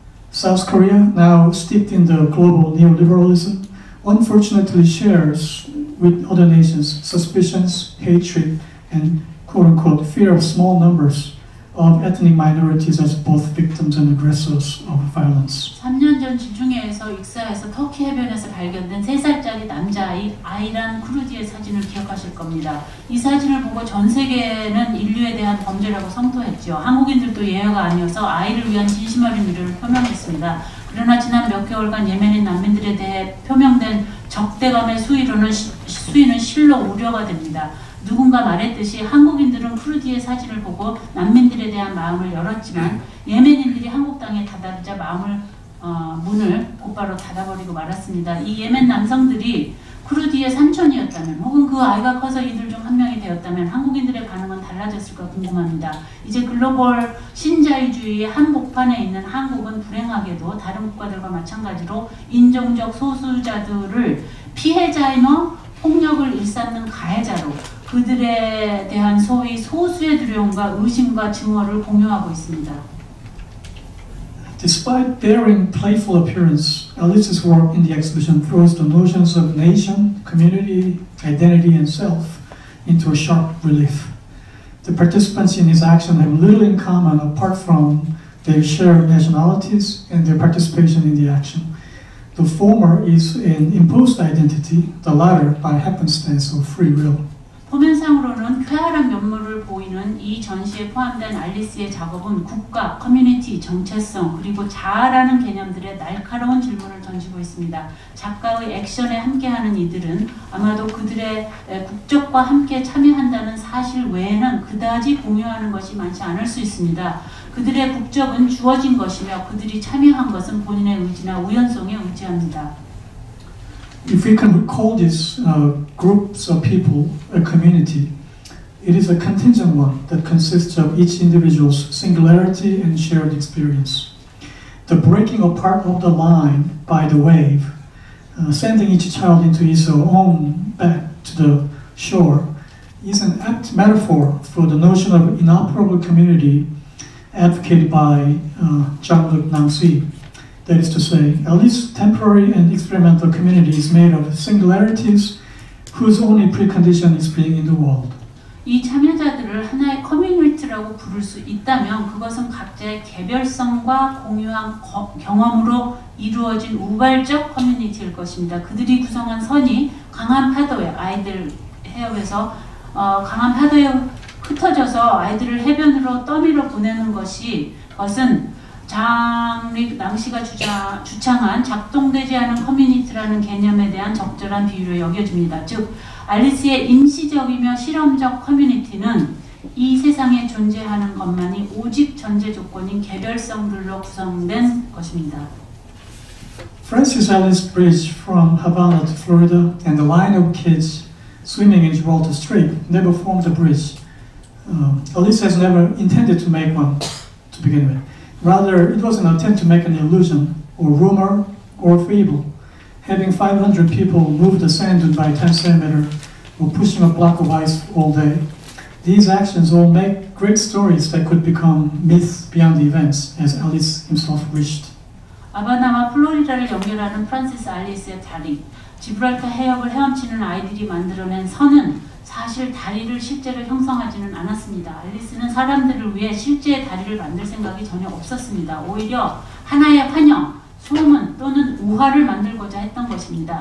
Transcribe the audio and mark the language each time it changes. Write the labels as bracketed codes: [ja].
[en] South Korea, now steeped in the global neoliberalism, unfortunately shares with other nations suspicions, hatred, and quote-unquote fear of small numbers of ethnic minorities as both victims and aggressors of violence. [ko] 3년 전 지중해에서 익사해서 터키 해변에서 발견된 3살짜리 남자아이 아이란 쿠르디의 사진을 기억하실 겁니다. 이 사진을 보고 전 세계는 인류에 대한 범죄라고 성토했죠. 한국인들도 예외가 아니어서 아이를 위한 진심어린 우려를 표명했습니다. 그러나 지난 몇 개월간 예멘인 난민들에 대해 표명된 적대감의 수위는 실로 우려가 됩니다. 누군가 말했듯이 한국인들은 쿠르디의 사진을 보고 난민들에 대한 마음을 열었지만 예멘인들이 한국 땅에 다다르자 문을 곧바로 닫아버리고 말았습니다. 이 예멘 남성들이 쿠르디의 삼촌이었다면 혹은 그 아이가 커서 이들 중 한 명이 되었다면 한국인들의 반응은 달라졌을까 궁금합니다. 이제 글로벌 신자유주의의 한복판에 있는 한국은 불행하게도 다른 국가들과 마찬가지로 인종적 소수자들을 피해자이며 폭력을 일삼는 가해자로 그들에 대한 소위 소수의 두려움과 의심과 증오를 공유하고 있습니다. [en] Despite daring, playful appearance, Alice's work in the exhibition throws the notions of nation, community, identity, and self into a sharp relief. The participants in his action have little in common apart from their shared nationalities and their participation in the action. The former is an imposed identity, the latter by happenstance or free will. [ko] 표면상으로는 쾌활한 면모를 보이는 이 전시에 포함된 알리스의 작업은 국가, 커뮤니티, 정체성, 그리고 자아라는 개념들의 날카로운 질문을 던지고 있습니다. 작가의 액션에 함께하는 이들은 아마도 그들의 국적과 함께 참여한다는 사실 외에는 그다지 공유하는 것이 많지 않을 수 있습니다. 그들의 국적은 주어진 것이며 그들이 참여한 것은 본인의 의지나 우연성에 의지합니다. [en] If we can recall these groups of people, a community, it is a contingent one that consists of each individual's singularity and shared experience. The breaking apart of the line by the wave, sending each child into his own back to the shore, is an apt metaphor for the notion of inoperable community advocated by Jean-Luc Nancy. That is to say, at least temporary and experimental community is made of singularities whose only precondition is being in the world. [ko] 이 참여자들을 하나의 커뮤니티라고 부를 수 있다면 그것은 각자의 개별성과 공유한 경험으로 이루어진 우발적 커뮤니티일 것입니다. 그들이 구성한 선이 강한 파도에 아이들 해협에서 강한 파도에 흩어져서 아이들을 해변으로 떠밀어 보내는 것은 장립 낭시가 주창한 작동되지 않은 커뮤니티라는 개념에 대한 적절한 비유로 여겨집니다. 즉, 알리스의 임시적이며 실험적 커뮤니티는 이 세상에 존재하는 것만이 오직 전제 조건인 개별성들로 구성된 것입니다. [en] Francis Alice Bridge from Havana to Florida and the line of kids swimming in Gibraltar Strait never formed a bridge. Alice has never intended to make one to begin with. Rather, it was an attempt to make an illusion, or rumor, or fable. Having 500 people move the sand dune by 10 centimeters, or pushing a block of ice all day, these actions all make great stories that could become myths beyond the events, as Alice himself wished. [ko] 아바나와 플로리다를 연결하는 프란시스 알리스의 다리, 지브랄타 해협을 헤엄치는 아이들이 만들어낸 선은 사실 다리를 실제로 형성하지는 않았습니다. 알리스는 사람들을 위해 실제의 다리를 만들 생각이 전혀 없었습니다. 오히려 하나의 환영, 소문 또는 우화를 만들고자 했던 것입니다.